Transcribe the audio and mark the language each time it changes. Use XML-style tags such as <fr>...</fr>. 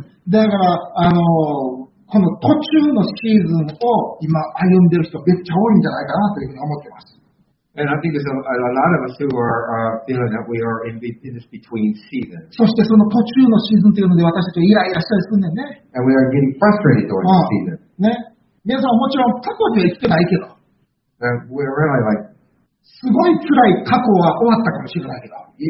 <ja>だから、この途中のシーズンを今歩んでる人めっちゃ多いんじゃないかなというふうに思ってます。</ja> <en>And I think there's a lot of us who are feeling that we are in this between season.</en> <ja>そしてその途中のシーズンというので私たちはイライラしたりするんだよね。</ja> <en>And we are getting frustrated during the season.</en> <ja>ね。皆さんもちろん過去には生きてないけど。</ja> <en>And we're really like,</en> <ja>すごい辛い過去は終わったかもしれないけど。</ja>